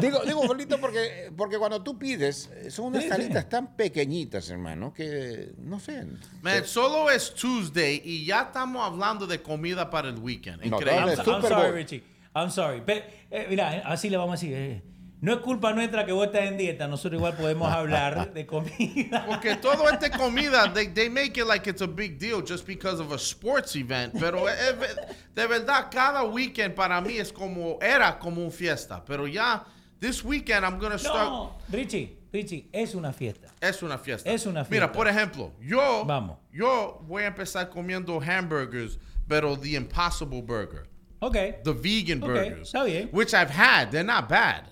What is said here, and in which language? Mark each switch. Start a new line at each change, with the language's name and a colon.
Spanish: Digo bufalito porque cuando tú pides, son unas salitas tan pequeñitas, hermano, que no sé. Man, solo es Tuesday y ya estamos hablando de comida para el weekend. Increíble.
English: I'm sorry, Richie.
Spanish: Pero, mira, así le vamos a decir. No es culpa nuestra que vos estés en dieta. Nosotros igual podemos hablar de comida. Porque todo este comida,
English: they make it like it's a big deal just because of a sports event.
Spanish: Pero de verdad, cada weekend para mí era como una fiesta.
English: Pero ya, this weekend I'm going to start...
Spanish: No, Richie, es una fiesta. Es una fiesta. Mira, por ejemplo, yo voy a empezar comiendo hamburgers, pero the Impossible Burger.
English: Okay. The vegan burgers.
Spanish: Está bien.
English: Which I've had. They're not bad.